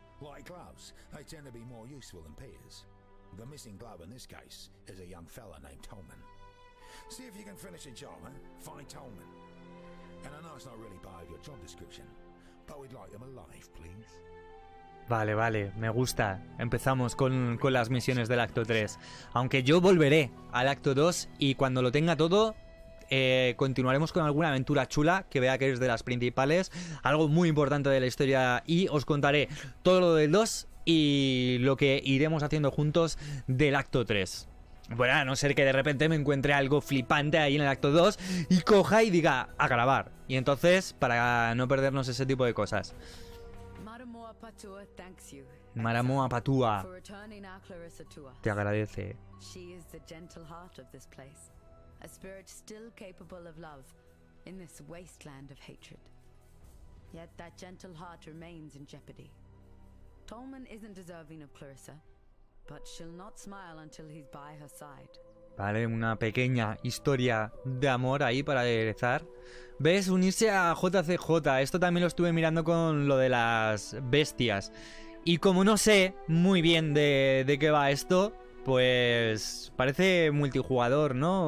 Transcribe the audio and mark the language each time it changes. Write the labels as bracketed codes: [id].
[en] Like gloves, they tend to be more useful than peers. The missing glove in this case is a young fella named Tolman. See if you can finish a job, huh? Find Tolman. And I know it's not really part of your job description, but we'd like him alive, please. [es] Vale, vale, me gusta. Empezamos con las misiones del acto 3. Aunque yo volveré al acto 2 y cuando lo tenga todo, continuaremos con alguna aventura chula que vea que es de las principales, algo muy importante de la historia, y os contaré todo lo del 2 y lo que iremos haciendo juntos del acto 3. Bueno, a no ser que de repente me encuentre algo flipante ahí en el acto 2 y coja y diga a grabar, y entonces para no perdernos ese tipo de cosas. Maramoa Patua te agradece. [en] A spirit still capable of love in this wasteland of hatred. Yet that gentle heart remains in jeopardy. Tolman isn't deserving of Clarissa, but she'll not smile until he's by her side. [es] Vale, una pequeña historia de amor ahí para aderezar. ¿Ves? Unirse a JCJ. Esto también lo estuve mirando con lo de las bestias. Y como no sé muy bien de qué va esto, pues parece multijugador, ¿no?